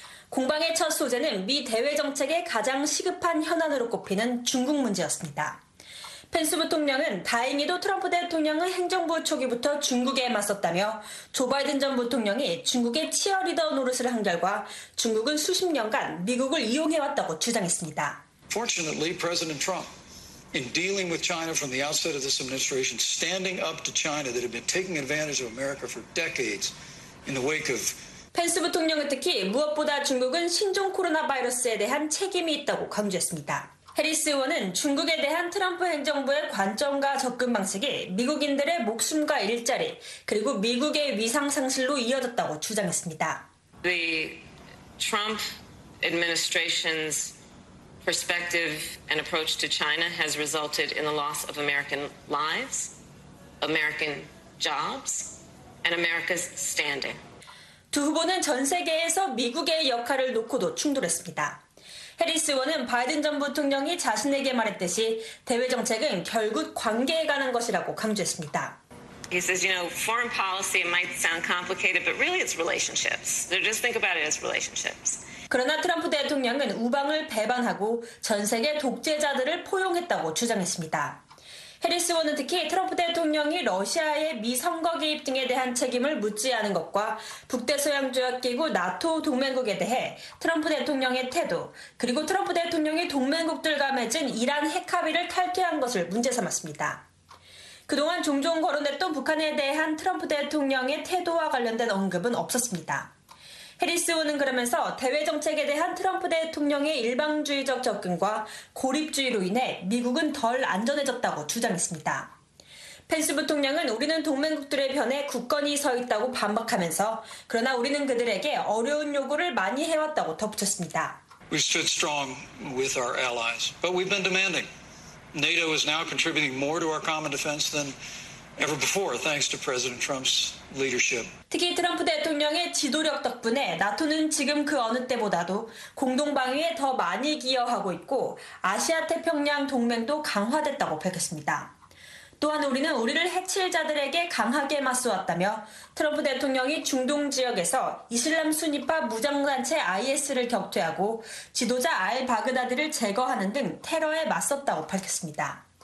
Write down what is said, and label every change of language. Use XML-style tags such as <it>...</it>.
<ko>공방의 첫 소재는 미 대외정책의 가장 시급한 현안으로 꼽히는 중국 문제였습니다. 펜스 부통령은 다행히도 트럼프 대통령은 행정부 초기부터 중국에 맞섰다며 조 바이든 전 부통령이 중국의 치어리더 노릇을 한 결과 중국은 수십 년간 미국을 이용해왔다고 주장했습니다.</ko> <en>Fortunately, President Trump, in dealing with China from the outset of this administration, standing up to China that had been taking advantage of America for decades in the wake of</en> <ko>펜스 부통령은 특히 무엇보다 중국은 신종 코로나 바이러스에 대한 책임이 있다고 강조했습니다. 해리스 의원은 중국에 대한 트럼프 행정부의 관점과 접근 방식이 미국인들의 목숨과 일자리 그리고 미국의 위상 상실로 이어졌다고 주장했습니다.</ko> <en>The Trump administration's perspective and approach to China has resulted in the loss of American lives, American jobs, and America's standing.</en> <ko>두 후보는 전 세계에서 미국의 역할을 놓고도 충돌했습니다. 해리스 의원은 바이든 전 부통령이 자신에게 말했듯이 대외 정책은 결국 관계에 관한 것이라고 강조했습니다.</ko> <en>He says, you know, foreign policy might sound complicated, but really it's relationships. So just think about it as relationships.</en> <ko>그러나 트럼프 대통령은 우방을 배반하고 전 세계 독재자들을 포용했다고 주장했습니다. 해리스 의원은 특히 트럼프 대통령이 러시아의 미 선거 개입 등에 대한 책임을 묻지 않은 것과 북대서양조약기구 나토 동맹국에 대해 트럼프 대통령의 태도 그리고 트럼프 대통령이 동맹국들과 맺은 이란 핵 합의를 탈퇴한 것을 문제 삼았습니다. 그동안 종종 거론했던 북한에 대한 트럼프 대통령의 태도와 관련된 언급은 없었습니다. 해리스 의원은 그러면서 대외정책에 대한 트럼프 대통령의 일방주의적 접근과 고립주의로 인해 미국은 덜 안전해졌다고 주장했습니다. 펜스 부통령은 우리는 동맹국들의 편에 굳건히 서 있다고 반박하면서 그러나 우리는 그들에게 어려운 요구를 많이 해왔다고 덧붙였습니다.</ko> <en>We stood strong with our allies, but we've been demanding. NATO is now contributing more to our common defense than ever before, thanks to President Trump's leadership.</en> <ko>특히 트럼프 대통령의 지도력 덕분에 나토는 지금 그 어느 때보다도 공동 방위에 더 많이 기여하고 있고 아시아 태평양 동맹도 강화됐다고 밝혔습니다. 또한 우리는 우리를 해칠 자들에게 강하게 맞서왔다며 트럼프 대통령이 중동 지역에서 이슬람 순위파 무장단체 IS를 격퇴하고 지도자 알 바그다디를 제거하는 등 테러에 맞섰다고 밝혔습니다.</ko>